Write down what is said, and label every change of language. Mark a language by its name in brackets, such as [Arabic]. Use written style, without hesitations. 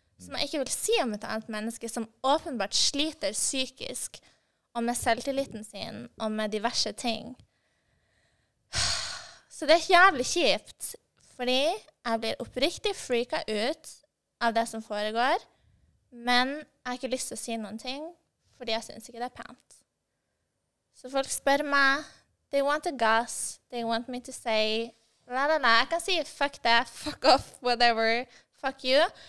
[Swedish] Som jag inte vill se om ett annat människa som uppenbart sliter psykiskt och med självtilliten sin och med diverse ting. Så det är jävligt kjipt för jag blir uppriktigt freakad ut av det som föregår. [Norwegian] Men jag har ikke lyst til å si noen ting, fordi jeg synes ikke det pent. Så folk spør meg, [English] they want to gas, they want me to say, la la la, [Norwegian] jeg kan si [English] fuck that, fuck off, whatever, fuck you.